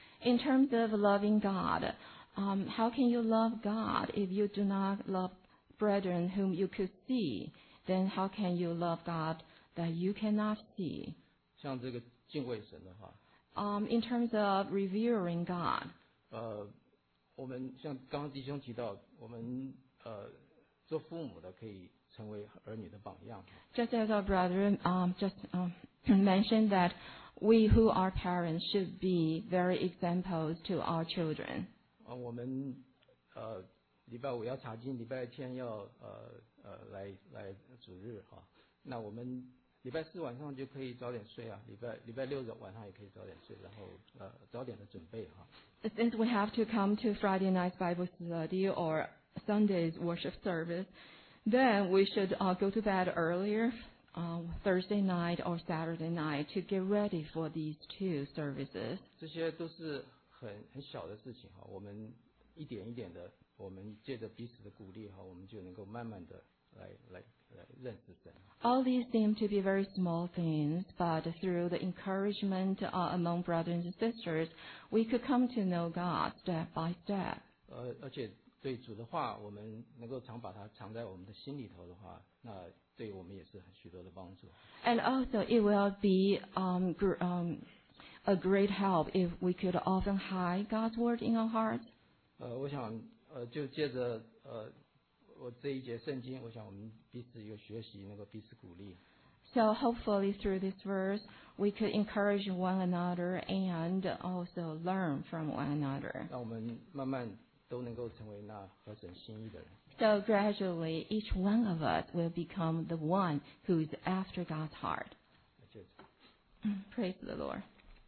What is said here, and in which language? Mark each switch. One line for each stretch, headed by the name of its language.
English: In terms of loving God, how can you love God if you do not love brethren whom you could see? Then how can you love God that you cannot see?
Chinese: 像这个敬畏神的话，
English: In terms of revering God,
Chinese: 我们像刚刚弟兄提到，我们做父母的可以成为儿女的榜样。
English: Just as our brother mentioned that we who are parents should be very examples to our children.
Chinese: 我们礼拜五要查经，礼拜天要来主日哈。那我们礼拜四晚上就可以早点睡啊，礼拜六的晚上也可以早点睡，然后早点的准备哈。
English: Since we have to come to Friday night Bible study or Sunday's worship service, then we should go to bed earlier Thursday night or Saturday night to get ready for these two services.
Chinese: 这些都是很小的事情哈，我们一点一点的，我们借着彼此的鼓励哈，我们就能够慢慢的来认识神。
English: All these seem to be very small things, but through the encouragement among brothers and sisters, we could come to know God step by step.
Chinese: 而且对主的话，我们能够常把它藏在我们的心里头的话，那对我们也是很许多的帮助。
English: And also, it will be a great help if we could often hide God's word in our hearts.
Chinese: 我想就借着我这一节圣经，我想我们彼此有学习，能够彼此鼓励。
English: So hopefully through this verse, we could encourage one another and also learn from one another.
Chinese: 让我们慢慢都能够成为那合神心意的人。
English: So gradually, each one of us will become the one who is after God's heart. Praise the Lord.